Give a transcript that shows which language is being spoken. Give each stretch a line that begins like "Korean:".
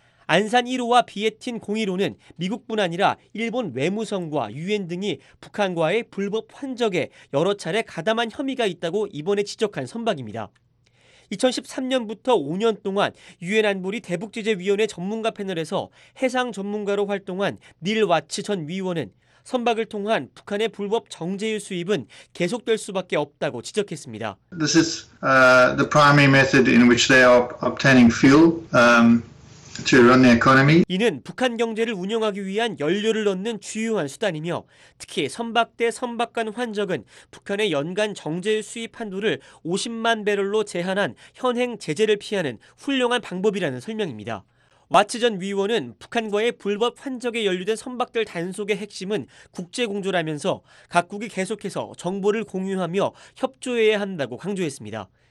Korean: 안산 1호와 비에틴 01호는 미국뿐 아니라 일본 외무성과 유엔 등이 북한과의 불법 환적에 여러 차례 가담한 혐의가 있다고 이번에 지적한 선박입니다. 2013년부터 5년 동안 유엔 안보리 대북제재위원회 전문가 패널에서 해상 전문가로 활동한 닐 와츠 전 위원은 선박을 통한 북한의 불법 정제유 수입은 계속될 수밖에 없다고 지적했습니다.
English: This is the primary method in which they are obtaining fuel. To run the economy.
Korean: 이는 북한 경제를 운영하기 위한 연료를 얻는 주요한 수단이며 특히 선박 대 선박 간 환적은 북한의 연간 정제유 수입 한도를 50만 배럴로 제한한 현행 제재를 피하는 훌륭한 방법이라는 설명입니다. 와츠 전 위원은 북한과의 불법 환적에 연루된 선박들 단속의 핵심은 국제공조라면서 각국이 계속해서 정보를 공유하며 협조해야 한다고 강조했습니다.